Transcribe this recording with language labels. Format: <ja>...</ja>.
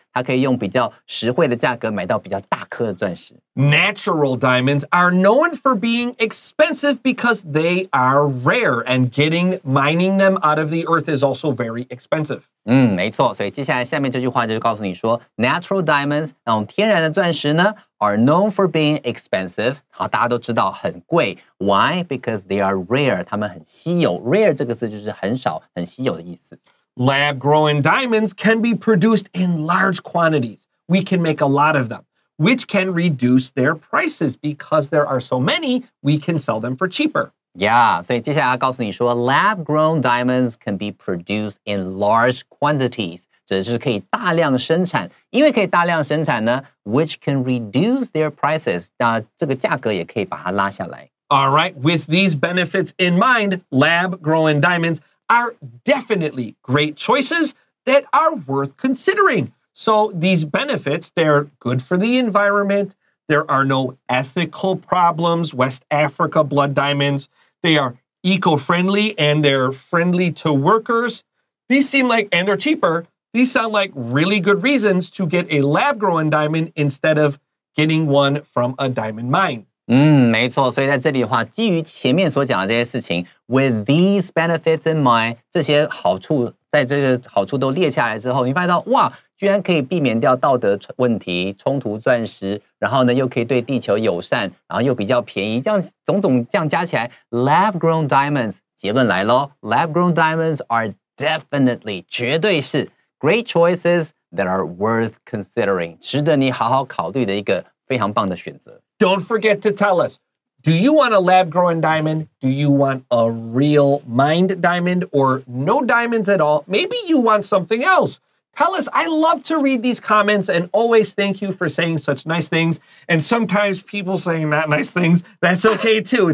<zh>它可以用比较实惠的价格买到比较大颗的钻石。</zh> <en>Natural diamonds are known for being expensive because they are rare and getting mining them out of the earth is also very expensive.</en> <zh>嗯，没错。所以接下来下面这句话就告诉你说</zh> <en>natural diamonds,</en> <zh>那种天然的钻石呢</zh> <en>are known for being expensive.</en> <zh>好，大家都知道很贵。</zh> <en>Why? Because they are rare.</en> <zh>它们很稀有。 Rare 这个字就是很少、很稀有的意思。</zh> <en>Lab-grown diamonds can be produced in large quantities. We can make a lot of them, which can reduce their prices. Because there are so many, we can sell them for cheaper. Yeah,</en> <zh>所以接下来要告诉你说</zh> <en>lab-grown diamonds can be produced in large quantities.</en> <zh>指的就是可以大量生产，因为可以大量生产呢</zh> <en>which can reduce their prices,</en> <zh>那这个价格也可以把它拉下来。</zh> <en>All right, with these benefits in mind, lab-grown diamonds are definitely great choices that are worth considering. So these benefits, they're good for the environment, there are no ethical problems, West Africa blood diamonds, they are eco-friendly and they're friendly to workers. These seem like, and they're cheaper,These sound like really good reasons to get a lab-grown diamond instead of getting one from a diamond mine.</en> <zh>嗯，没错。所以在这里的话，基于前面所讲的这些事情 ，</zh> <en>with these benefits in mind，</en> <zh>这些好处在这个好处都列下来之后，你发现到哇，居然可以避免掉道德问题、冲突钻石，然后呢又可以对地球友善，然后又比较便宜，这样种种这样加起来 ，lab-grown diamonds 结论来喽 ，</zh> <en>lab-grown diamonds are definitely</en> <zh>绝对是。</zh> <en>Great choices that are worth considering.</en> <zh>值得你好好考虑的一个非常棒的选择。</zh> <en>Don't forget to tell us, do you want a lab-grown diamond? Do you want a real mined diamond or no diamonds at all? Maybe you want something else. Tell us, I love to read these comments and always thank you for saying such nice things. And sometimes people saying not nice things, that's okay too.</en>